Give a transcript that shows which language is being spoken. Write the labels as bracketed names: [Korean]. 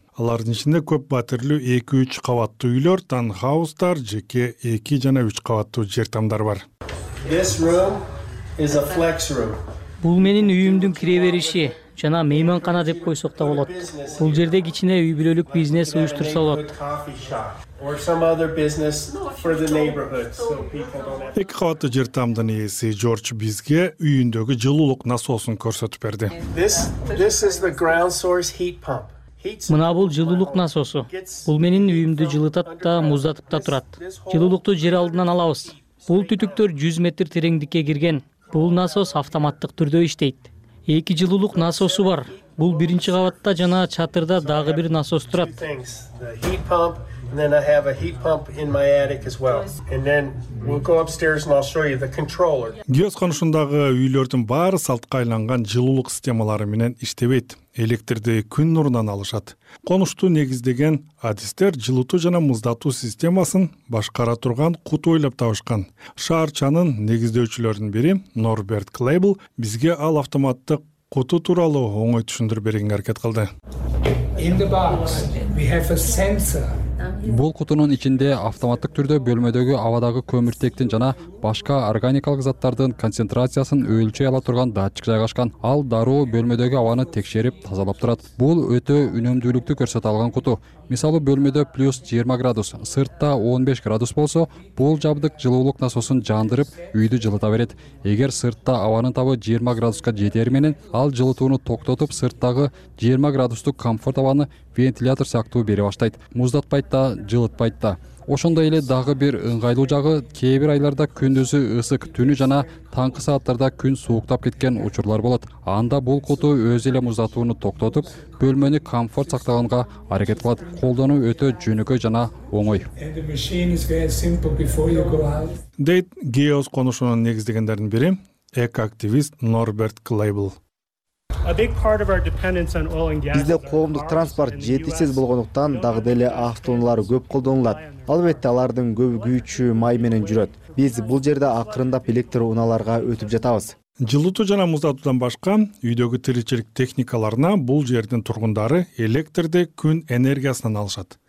[Kyrgyz] Алардын ичинде көп батирлүү 2-3 кабаттуу үйлөр, таунхаустар, жеке 2 жана 3 кабаттуу жер тамдар бар. Бул менин үйүмдүн кире бериши. жана мейманкана деп койсок да болот. Бул жерде кичине үй бүлөлүк бизнес уюштурса болот. [English] Or some other business for the neighborhood so people don't. [Kyrgyz] Эки кабаттуу жер тамдын ээси Жорж бизге үйүндөгү жылуулук насосун көрсөтүп берди. [English] This is the ground source heat pump. [Kyrgyz] Мына бул жылуулук насосу. Бул менин үйүмдү жылытат да муздатып да турат. Жылуулукту жер алдынан алабыз. Бул түтүктөр 100 метр тереңдикке кирген. Бул насос автоматтык түрдө иштейт. Эки жылуулук насосу бар. Бул биринчи кабатта жана чатырда дагы бир насос турат. [English] And then I have a heat pump in my attic as well. And then we'll go upstairs and I'll show you the controller. [Kyrgyz] Гөз конушундагы үйлөрдүн баары салтка айланган жылуулук системалары менен иштебейт. Электрди күн нурунан алышат. Конушту негиздеген адистер жылытуу жана муздатуу системасын башкара турган кут ойлоп табышкан. Шаарчанын негиздөөчүлөрүнүн бири Норберт Клейбл бизге ал автоматтык куту тууралуу оңой түшүндүрүп бергенге аракет кылды. [English] In the box we have a sensor. [Kyrgyz] Бул кутунун ичинде автоматтык түрдө бөлмөдөгү абадагы көмүртектин жана башка органикалык заттардын концентрациясын өлчөй ала турган датчик жайгашкан. Ал дароо бөлмөдөгү абаны текшерип, тазалап турат. Бул өтө үнөмдүүлүктү көрсөтө алган куту. Мисалы, бөлмөдө плюс 20 градус, сыртта 15 градус болсо, бул жабдык жылуулук насосун жандырып, үйдү жылыта берет. Эгер сыртта абанын табы 20 градуска жетери менен, ал жылытууну токтотуп, сырттагы 20 градустук комфорт абаны вентилятор сыяктуу бере баштайт. Муздатпайт да, жылытпайт да. Ошондой эле дагы бир ыңгайлуу жагы, кээ бир айларда күндүзү ысык, түнү жана таңкы сааттарда күн сууктап кеткен учурлар болот. Анда бул куту өз эле муздатууну токтотуп, бөлмөнү комфорт сактаганга аракет кылат. Колдонуу өтө жөнөкөй жана оңой. Дейт Геос конушунун негиздегендердин бири эко-активист Норберт Клейбл. [English] A big part of our dependence on oil and gas. [Kyrgyz] Бизде коомдук транспорт жетишсиз болгондуктан дагы деле автоунаалар көп колдонулат. Албетте алардын көбү күйүүчү май менен жүрөт. Биз бул жерде акырындап электр унааларга өтүп жатабыз. Жылытуу жана муздатуудан башка үйдөгү тиричилик техникаларына бул жердин тургундары электрди күн энергиясынан алышат.